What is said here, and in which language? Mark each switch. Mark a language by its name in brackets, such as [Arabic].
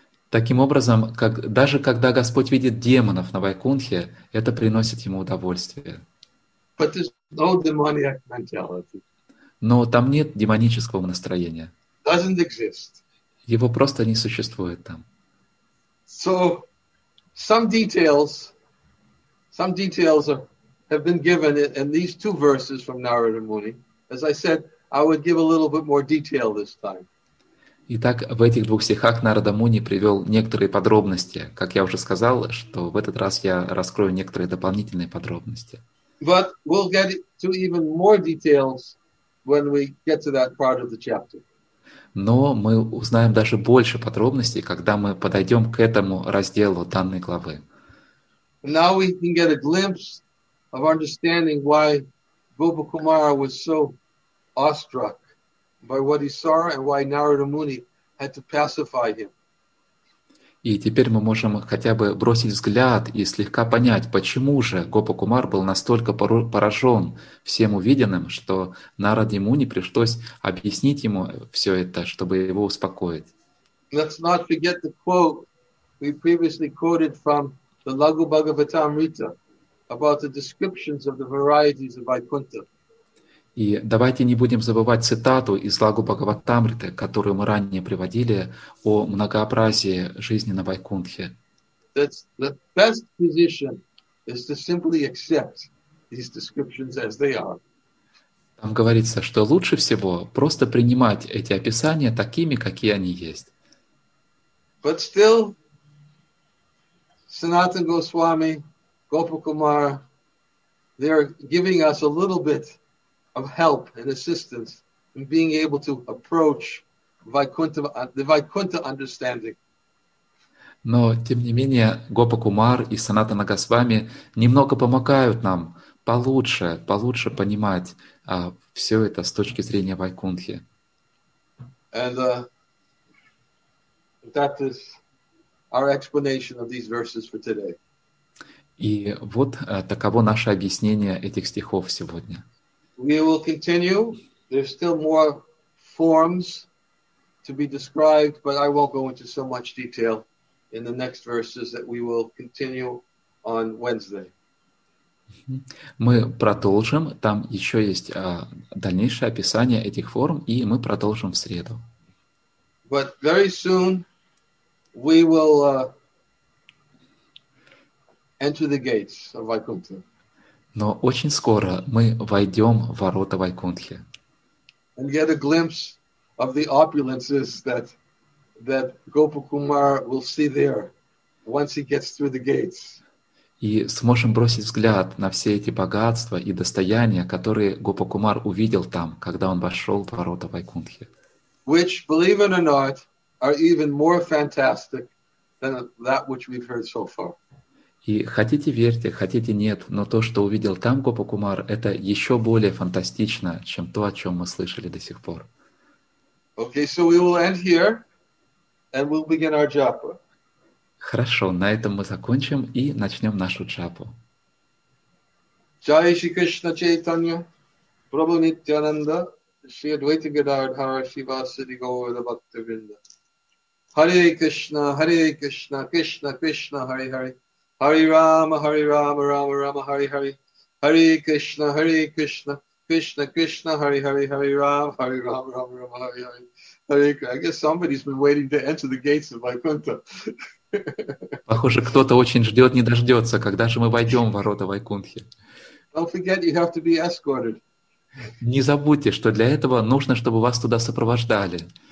[Russian] Таким образом, даже когда Господь видит демонов на Вайкунтхе, это приносит ему удовольствие. [English] But there's no demoniac mentality. [Russian] Но там нет демонического настроения. [English] Doesn't exist. [Russian] Его просто не существует там. [English] So, some details have been given in these two verses from Narada Muni. As I said, I would give a little bit more detail this time. [Russian] Итак, в этих двух стихах Нарада Муни привел некоторые подробности. Как я уже сказал, что в этот раз я раскрою некоторые дополнительные подробности. [English] But we'll get to even more details when we get to that part of the chapter. [Russian] Но мы узнаем даже больше подробностей, когда мы подойдем к этому разделу данной главы. [English] Now we can get a glimpse of understanding why Gopakumara was so awestruck by what he saw and why Narada Muni had to pacify him. [Russian] И теперь мы можем хотя бы бросить взгляд и слегка понять, почему же Гопа-кумар был настолько поражен всем увиденным, что Нарад Муни пришлось объяснить ему все это, чтобы его успокоить. [English] Let's not forget the quote we previously quoted from the Laghu Bhagavatamrita about the descriptions of the varieties of Vaikuntha. [Russian] И давайте не будем забывать цитату из Лагу Бхагаватамриты, которую мы ранее приводили, о многообразии жизни на Вайкунтхе. [English] The best position is to simply accept these descriptions as they are. [Russian] Там говорится, что лучше всего просто принимать эти описания такими, какие они есть. [English] But still, Sanatan Goswami, Gopa Kumara, they're giving us a little bit of help and assistance in being able to approach Vaikuntha, the Vaikuntha understanding. [Russian] Но тем не менее Гопа Кумар и Санатана Госвами немного помогают нам получше понимать все это с точки зрения Вайкунтхи. [English] And that is our explanation of these verses for today. [Russian] И вот таково наше объяснение этих стихов сегодня. [English] We will continue. There's still more forms to be described, but I won't go into so much detail in the next verses that we will continue on Wednesday. [Russian] Мы продолжим. Там еще есть дальнейшее описание этих форм, и мы продолжим в среду. [English] But very soon we will enter the gates of Vaikuntha. [Russian] Но очень скоро мы войдем в ворота Вайкунтхи. [English] And get a glimpse of the opulences that Gopa Kumar will see there once he gets through the gates. [Russian] И сможем бросить взгляд на все эти богатства и достояния, которые Гопа Кумар увидел там, когда он вошел в ворота Вайкунтхи. [English] Which, believe it or not, are even more fantastic than that which we've heard so far. [Russian] И хотите верьте, хотите нет, но то, что увидел там Гопа Кумар, это еще более фантастично, чем то, о чем мы слышали до сих пор. [English] Okay, so we will end here, and we'll begin our japa. [Russian] Хорошо, на этом мы закончим и начнем нашу джапу. [Sanskrit] Джай Шри Кришна Чайтанья, Прабху Нитьянанда, Шри Адвайта Гадардхара, Шри Васади Говарда Бхактивинда. Харе Кришна, Харе Кришна, Кришна Кришна, Харе Харе. Hari Rama, Hari Rama, Rama Rama, Hari Hari. Hari Krishna, Hari Krishna, Krishna Krishna, Hari Hari, Hari Rama, Hari Rama, Rama Rama, Hari Hari. Hari Krishna. [English] I guess somebody's been waiting to enter the gates of Vaikuntha. [Russian] Похоже, кто-то очень ждет, не дождется, когда же мы войдем в ворота Вайкунтхи. [English] Don't forget, you have to be escorted. [Russian] Не забудьте, что для этого нужно, чтобы вас туда сопровождали.